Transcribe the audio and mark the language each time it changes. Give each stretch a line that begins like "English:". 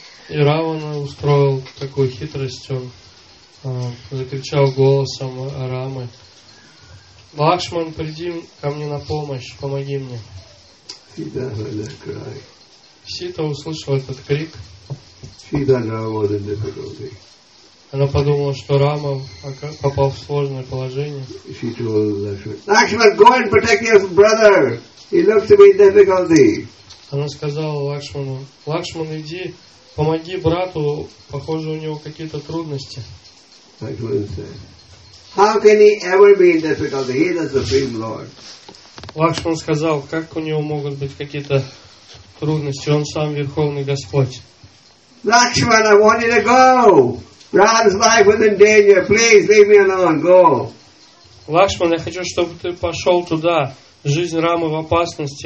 Russian: И Равана устроил такую хитрость, он закричал голосом Рамы. Лакшман, приди ко мне на помощь, помоги мне.
English: Sita heard that cry.
Russian: Сита услышала этот крик.
English: Sita now was in difficulty.
Russian: Она подумала, что Рама попал в сложное положение.
English: She told Lakshman, go and protect your brother. He looks to be in difficulty.
Russian: Она сказала Лакшману, Лакшман, иди, помоги брату, похоже, у него какие-то трудности.
English: Lakshman said, how can he ever be in difficulty? He is the Supreme Lord.
Russian: Лакшман сказал, как у него могут быть какие-то трудности? Он сам Верховный Господь.
English: Lakshman, I want you to go. Ram's life was in danger. Please leave me alone. Go.
Russian: Лакшман, я хочу, чтобы ты пошел туда. Жизнь Рамы в опасности.